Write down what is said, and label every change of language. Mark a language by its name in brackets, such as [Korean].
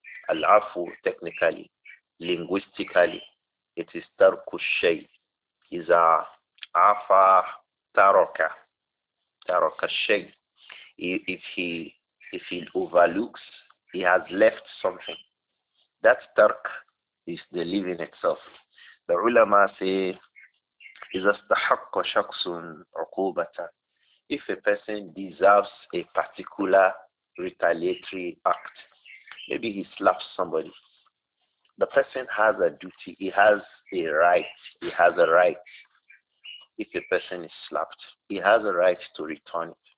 [English] Al-afu, technically, linguistically, it is tarku shay, is a afa taraka, taraka shay. If he overlooks, he has left something. That tark is the living itself. The ulama say, [Arabic] إِذَا اسْتَحَقَّ شَخْصٌ عُقُوبَةً. [English] If a person deserves a particular retaliatory act, maybe he slaps somebody. The person has a duty, he has a right, he has a right. If a person is slapped, he has a right to return it.